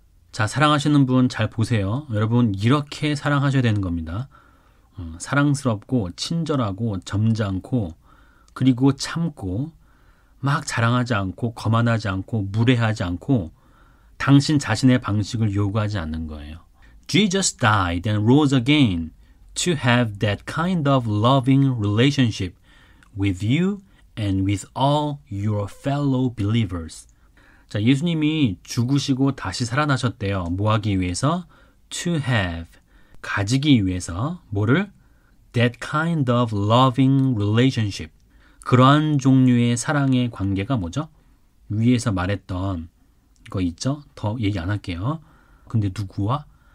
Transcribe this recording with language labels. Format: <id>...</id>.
<ko>자, 사랑하시는 분 잘 보세요. 여러분, 이렇게 사랑하셔야 되는 겁니다. 사랑스럽고, 친절하고, 점잖고, 그리고 참고, 막 자랑하지 않고, 거만하지 않고, 무례하지 않고, 당신 자신의 방식을 요구하지 않는 거예요.</ko> <en>Jesus died and rose again to have that kind of loving relationship with you and with all your fellow believers.</en> <ko>자, 예수님이 죽으시고 다시 살아나셨대요. 뭐 하기 위해서?</ko> <en>To have,</en> <ko>가지기 위해서, 뭐를?</ko> <en>That kind of loving relationship.</en> <ko>그러한 종류의 사랑의 관계가 뭐죠? 위에서 말했던 거 있죠? 더 얘기 안 할게요. 근데 누구와?</ko>